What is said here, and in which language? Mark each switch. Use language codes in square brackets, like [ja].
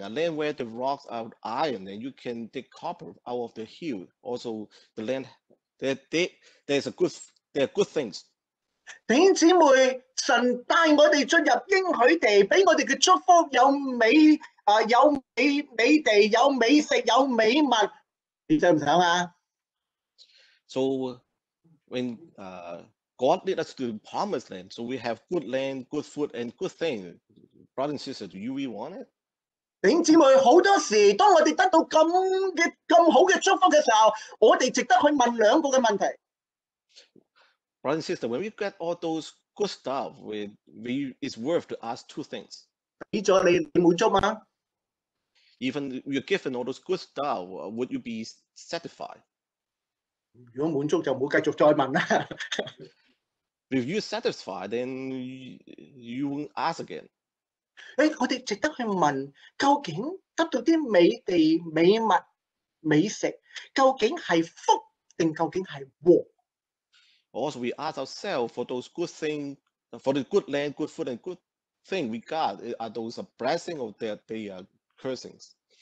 [en] A land where the rocks are iron, and you can dig copper out of the hill. Also, the land that there's a good, there are good things. [yue] 弟兄姊妹，神带我哋进入应许地，俾我哋嘅祝福有美啊，有美美地，有美食，有美物。你想唔想啊 [en] ？So when God led us to the promised land, so we have good land, good food, and good things. Brother and sister, do you really want it? [yue] 弟兄姊妹，好多时当我哋得到咁嘅咁好嘅祝福嘅时候，我哋值得去问两个嘅问题。 [en] Brother and sister, when we get all those good stuff, we it's worth to ask two things. [yue] 俾咗你，你满足吗 [en] ？Even you're given all those good stuff, would you be satisfied? [yue] 如果满足就唔好继续再问啦。 [en] If you're satisfied, then you won't ask again. [yue] 诶，我哋值得去问，究竟得到啲美地、美物、美食，究竟系福定究竟系祸 [en] ？Also, we ask ourselves for those good things, for the good land, good food, and good thing we got, are those a blessing or that they are cursings？